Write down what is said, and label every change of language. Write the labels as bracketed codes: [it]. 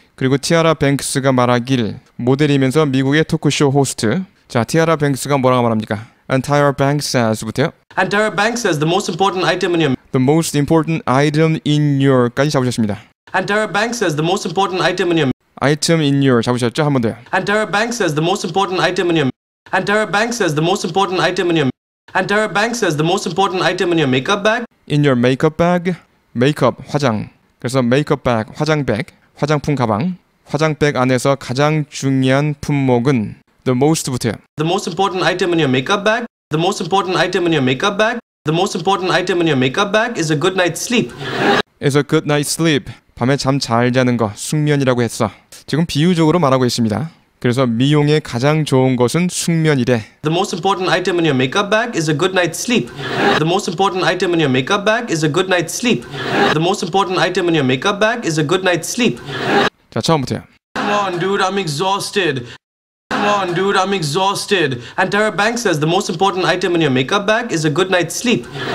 [ko] 그리고 티아라 뱅크스가 말하길 모델이면서 미국의 토크쇼 호스트. 자, 티아라 뱅크스가 뭐라고 말합니까? [en] And Tyra Banks says부터요. And Tyra Banks says the most important item in your. The most important item in your까지 [ko] 잡으셨습니다. [en] And Tyra Banks says the most important item in your. Item in your [ko] 잡으셨죠? 한 번 더요. [en] And Tara Banks says the most important item in your. And Tara Banks says the most important item in your. And Tara Banks says the most important item in your makeup bag. In your makeup bag, [ko] makeup 화장. 그래서 makeup bag 화장백, 화장품 가방, 화장백 안에서 가장 중요한 품목은 the most부터요. [en] The most important item in your makeup bag. The most important item in your makeup bag. The most important item in your makeup bag is a good night's sleep. Is a good night's sleep. [ko] 밤에 잠 잘 자는 거, 숙면이라고 했어. 지금 비유적으로 말하고 있습니다. 그래서 미용에 가장 좋은 것은 숙면이래. [en] The most important item in your makeup bag is a good night's sleep. The most important item in your makeup bag is a good night's sleep. The most important item in your makeup bag is a good night's sleep. [ko] 자, 처음부터요. [en] Come on, dude, I'm exhausted. Come on, dude, I'm exhausted. And Tara Banks says the most important item in your makeup bag is a good night's sleep.